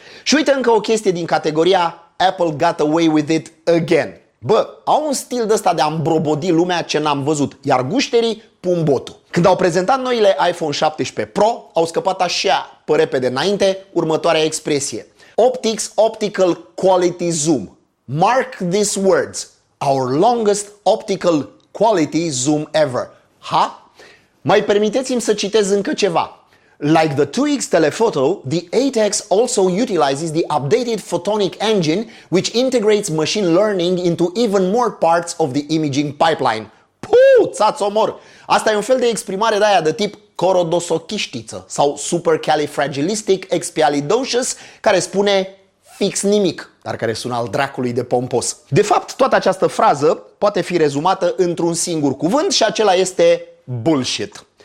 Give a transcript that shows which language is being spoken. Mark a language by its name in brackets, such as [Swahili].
[Romanian] Și uite încă o chestie din categoria [English] Apple got away with it again. [Romanian] Bă, au un stil de ăsta de a îmbrobodi lumea ce n-am văzut, iar gușterii pun botul. Când au prezentat noile iPhone 17 Pro, au scăpat așa, pe repede înainte, următoarea expresie. [English] Optics Optical Quality Zoom. Mark these words. Our longest optical quality zoom ever. Ha? [Romanian] Mai permiteți-mi să citez încă ceva. [English] Like the 2X telephoto, the 8X also utilizes the updated photonic engine, which integrates machine learning into even more parts of the imaging pipeline. [Romanian] Puu, ți-ați omor! Asta e un fel de exprimare de-aia de tip corodosochiștiță sau supercalifragilisticexpialidocious, care spune fix nimic, dar care sună al dracului de pompos. De fapt, toată această frază poate fi rezumată într-un singur cuvânt și acela este bullshit.